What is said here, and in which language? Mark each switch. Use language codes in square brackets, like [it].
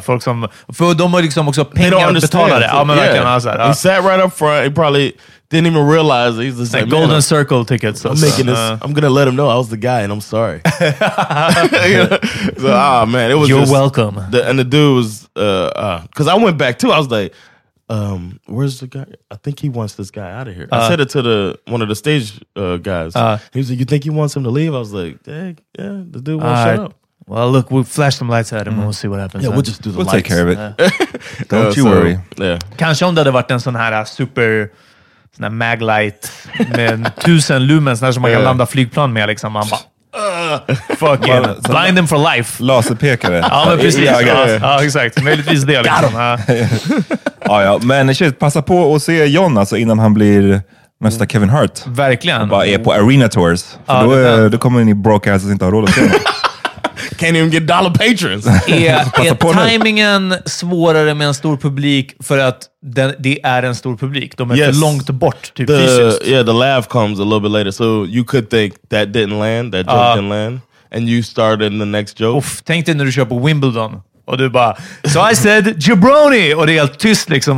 [sv] Folk som, för de har liksom också pengar att betala det. Ja, men verkligen. [en] He sat right up front. He probably didn't even realize he's the same. Like Golden Circle tickets. I'm making this. I'm gonna let him know I was the guy and I'm sorry. So, man, it was. You're welcome. And the dude was, because I went back too. I was like, where's the guy? I think he wants this guy out of here. I said it to one of the stage guys. He was like, you think he wants him to leave? I was like, the dude won't shut up. Well, look, we'll flash some lights at him and we'll see what happens. Yeah, we'll just do the lights. We'll take care of it. Don't you worry. [sv] Kanske om det hade varit en sån här super maglite med 1000 lumens som man kan landa flygplan med. Liksom. Man bara, [en] fucking blind him for life. [sv] Laserpekare. Ja, men precis. Ja, exakt. Möjligtvis det. Liksom. ja. Men shit, passa på att se John alltså, innan han blir nästa Kevin Hart. Verkligen. Och bara är på arena tours. För då kommer ni broadcasts inte ha roll att se. [en] Can't even get dollar patrons. [sv] Är timingen svårare med en stor publik för att det är en stor publik? De är yes. för långt bort, typ the, fysiskt. [en] Yeah, the laugh comes a little bit later. So you could think that didn't land, that joke didn't land. And you started in the next joke. [sv] Uff, tänk dig när du kör på Wimbledon. Och du bara, [en] so I said jabroni. [sv] Och det är helt tyst liksom.